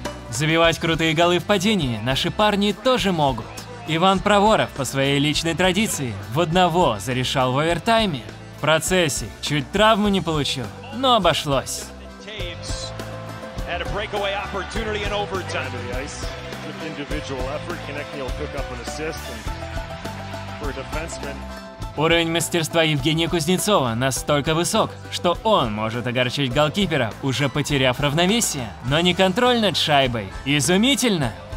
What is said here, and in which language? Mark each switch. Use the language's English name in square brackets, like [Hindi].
[Russian] Забивать крутые голы в падении наши парни тоже могут. Иван Проворов по своей личной традиции в одного зарешал в овертайме. В процессе чуть травму не получил, но обошлось. [English] Had a breakaway opportunity in overtime. Down to the ice, good individual effort. Konechny will pick up an assist and for a defenseman. [Russian] Уровень мастерства Евгения Кузнецова настолько высок, что он может огорчить голкипера, уже потеряв равновесие, но не контроль над шайбой. Изумительно!